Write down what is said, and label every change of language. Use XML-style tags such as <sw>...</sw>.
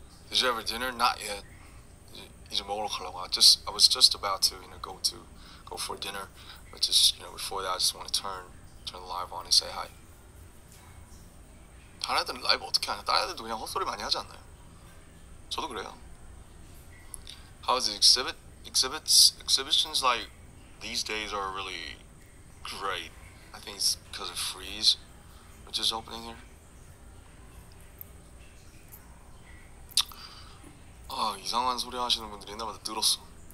<en>Did you have a dinner? Not yet. I was just about to, you know, go for dinner, but just, you know, before that, I just want to turn the live on and say hi.</en> <ko>다른 애들 라이브 어떻게 하냐? 다른 애들도 그냥 헛소리 많이 하지 않나요? 저도 그래요.</ko> <en>How's the exhibit? Exhibitions like these days are really great. I think it's because of Freeze, which is opening here.</en> <ko>Oh, 이상한 소리 하시는 분들이 있나봐도 늘었어.</ko>